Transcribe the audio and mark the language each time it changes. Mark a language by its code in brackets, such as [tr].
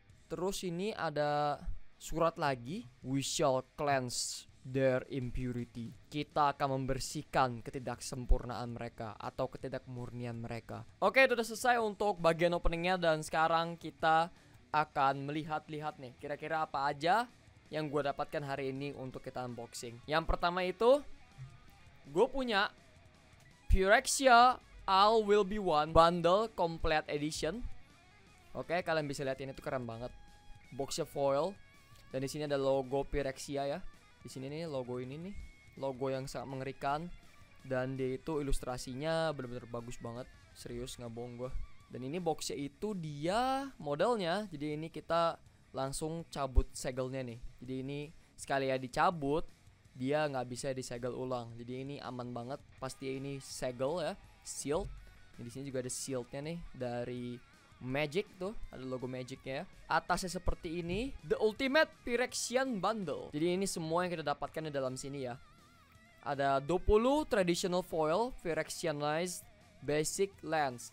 [id] Terus ini ada surat lagi. [en] We shall cleanse their impurity. [id] Kita akan membersihkan ketidaksempurnaan mereka atau ketidakmurnian mereka. Oke, itu udah selesai untuk bagian openingnya. Dan sekarang kita akan melihat-lihat nih, kira-kira apa aja yang gue dapatkan hari ini untuk kita unboxing. Yang pertama itu, gue punya Phyrexia All Will Be One Bundle Complete Edition. Oke, kalian bisa lihat ini tuh keren banget. Boxnya foil dan di sini ada logo Phyrexia ya. Di sini nih logo ini nih, logo yang sangat mengerikan dan dia itu ilustrasinya benar-benar bagus banget. Serius nggak bohong gue. Dan ini boxnya itu dia modelnya. Jadi ini kita langsung cabut segelnya nih. Jadi ini sekali ya dicabut, dia nggak bisa disegel ulang. Jadi ini aman banget. Pasti ini segel ya. Sealed. Nah, di sini juga ada sealednya nih dari Magic tuh, ada logo Magicnya. Atasnya seperti ini, The Ultimate Phyrexian Bundle. Jadi ini semua yang kita dapatkan di dalam sini ya. Ada 20 traditional foil Phyrexianized basic lands.